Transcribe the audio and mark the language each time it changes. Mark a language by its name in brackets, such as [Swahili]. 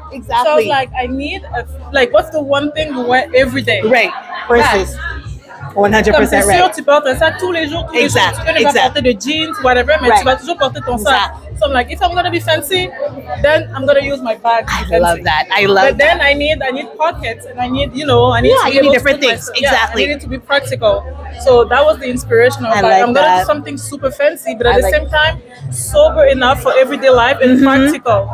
[English] Exactly. So, like, I need, what's the one thing you wear every day? Right, versus. 100% [French] comme c'est sûr, tu portes ça tous les jours, exact, tu peux ne pas porter de jeans, whatever, mais tu vas toujours porter ton sac. [English] So I'm like, if I'm gonna be fancy, then I'm gonna use my bag. I love that. Then I need pockets, and I need to be able to put things. Yeah, I need it to be practical. So that was the inspiration. I'm gonna do something super fancy, but at the same time, sober enough for everyday life and practical.